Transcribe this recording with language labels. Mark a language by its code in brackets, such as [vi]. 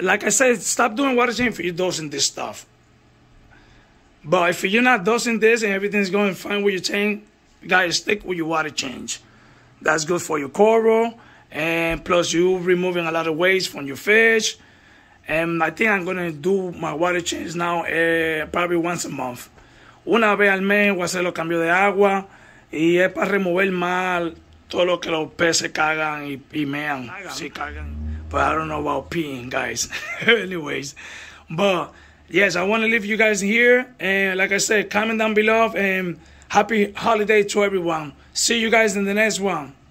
[en] Stop doing water change if you're dosing this stuff. But if you're not dosing this and everything's going fine with your tank, guys, stick with your water change. That's good for your coral, and plus you're removing a lot of waste from your fish. And I think I'm going to do my water change now probably once a month. [es] Una vez al mes voy a hacer los cambios de agua y es para remover mal todo lo que los peces cagan y mean. Sí, cagan. [en] But I don't know about peeing, guys. Anyways, but yes, I want to leave you guys here. And like I said, comment down below and happy holiday to everyone. See you guys in the next one.